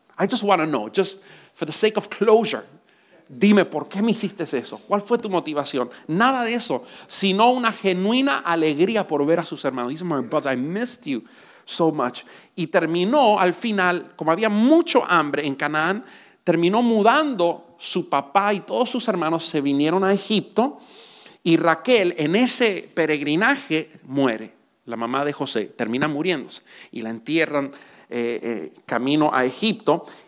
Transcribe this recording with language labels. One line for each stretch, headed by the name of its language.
English: I just want to know, just for the sake of closure.
Spanish: Dime, ¿por qué me hiciste eso? ¿Cuál fue tu motivación? Nada de eso, sino una genuina alegría por ver a sus hermanos. Dice,
English: my brother, I missed you so much.
Spanish: Y terminó al final, como había mucho hambre en Canaán, terminó mudando su papá y todos sus hermanos se vinieron a Egipto. Y Raquel, en ese peregrinaje, muere. La mamá de José termina muriéndose. Y la entierran camino a Egipto.